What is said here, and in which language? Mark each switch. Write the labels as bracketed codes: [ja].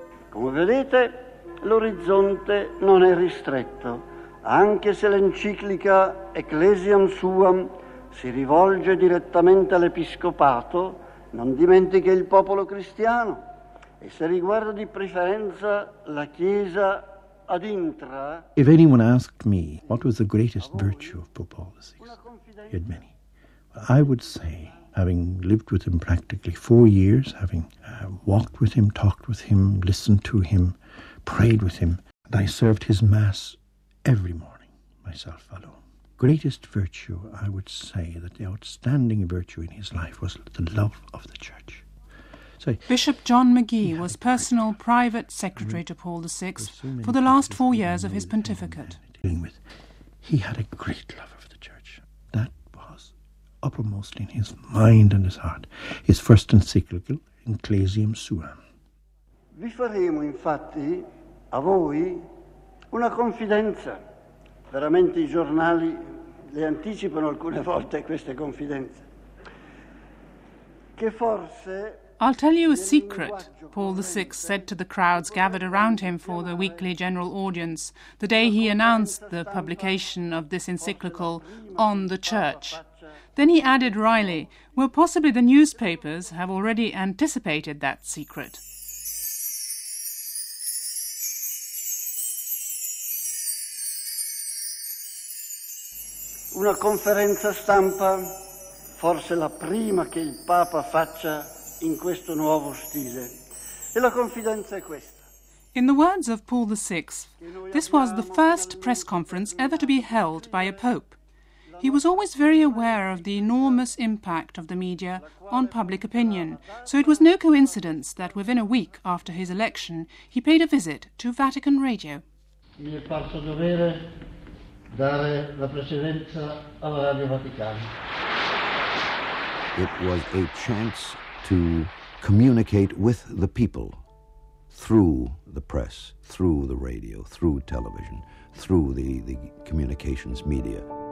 [it] Come vedete, l'orizzonte non è ristretto, anche se l'enciclica Ecclesiam Suam si rivolge direttamente all'Episcopato, non dimentichi il popolo cristiano. E se riguarda di preferenza la Chiesa ad intra... [en] If anyone asked me what was the greatest virtue of Pope Paul VI, he had many. I would say, having lived with him practically 4 years, having walked with him, talked with him, listened to him, prayed with him, and I served his Mass every morning myself alone. Greatest virtue, I would say, that the outstanding virtue in his life was the love of the Church. Sorry. Bishop John McGee was personal private secretary to Paul VI for the last 4 years of his pontificate. He had a great love of the Church. That was uppermost in his mind and his heart. His first encyclical, Ecclesiam Suam. [it] Vi faremo, infatti, a voi, una confidenza. Veramente i giornali le anticipano alcune volte queste confidenze. Che forse... [en] I'll tell you a secret, Paul VI said to the crowds gathered around him for the weekly general audience, the day he announced the publication of this encyclical on the Church. Then he added wryly, well, possibly the newspapers have already anticipated that secret. [it] Una conferenza stampa, forse la prima che il Papa faccia in questo nuovo stile. E la confidenza è questa. [en] In the words of Paul VI, this was the first press conference ever to be held by a Pope. He was always very aware of the enormous impact of the media on public opinion, so it was no coincidence that within a week after his election, he paid a visit to Vatican Radio. [it] Mi è parso dovere dare la precedenza alla Radio Vaticana. [en] It was a chance to communicate with the people through the press, through the radio, through television, through the communications media.